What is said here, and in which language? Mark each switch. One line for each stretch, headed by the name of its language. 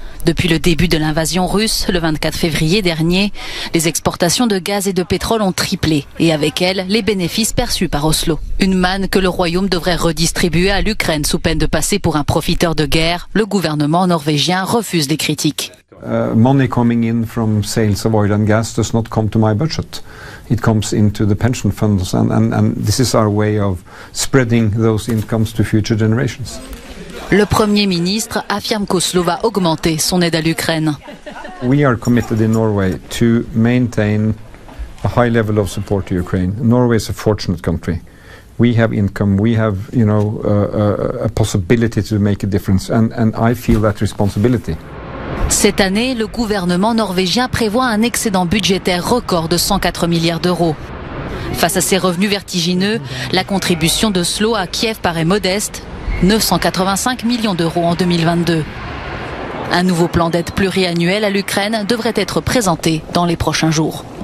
French: Depuis le début de l'invasion russe, le 24 février dernier, les exportations de gaz et de pétrole ont triplé, et avec elles, les bénéfices perçus par Oslo. Une manne que le royaume devrait redistribuer à l'Ukraine sous peine de passer pour un profiteur de guerre, le gouvernement norvégien refuse les critiques.
English: Money coming in from sales of oil and gas does not come to my budget. It comes into the pension funds and this is our way of spreading those incomes to future generations.
French: Le Premier ministre affirme qu'Oslo va augmenter son aide à l'Ukraine.
English: We are committed in Norway to maintain a high level of support to Ukraine. Norway is a fortunate country. We have income, we have, you know, a possibility to make a difference and I feel that responsibility.
French: Cette année, le gouvernement norvégien prévoit un excédent budgétaire record de 104 milliards d'euros. Face à ces revenus vertigineux, la contribution de Oslo à Kiev paraît modeste, 985 millions d'euros en 2022. Un nouveau plan d'aide pluriannuel à l'Ukraine devrait être présenté dans les prochains jours.